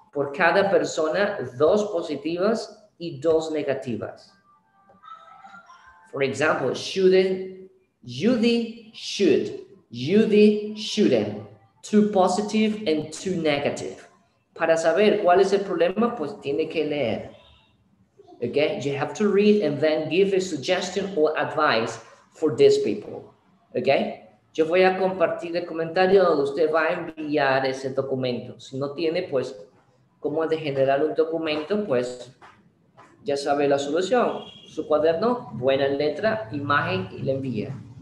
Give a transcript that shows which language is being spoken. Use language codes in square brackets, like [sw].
[es] Por cada persona, dos positivas y dos negativas. [en] For example, shouldn't, Judy should, Judy shouldn't. Two positive and two negative. [es] Para saber cuál es el problema, pues tiene que leer. [en] Okay, you have to read and then give a suggestion or advice for these people. [es] Okay, yo voy a compartir el comentario donde usted va a enviar ese documento. Si no tiene, pues, cómo de generar un documento, pues, ya sabe la solución. Su cuaderno, buena letra, imagen y le envía.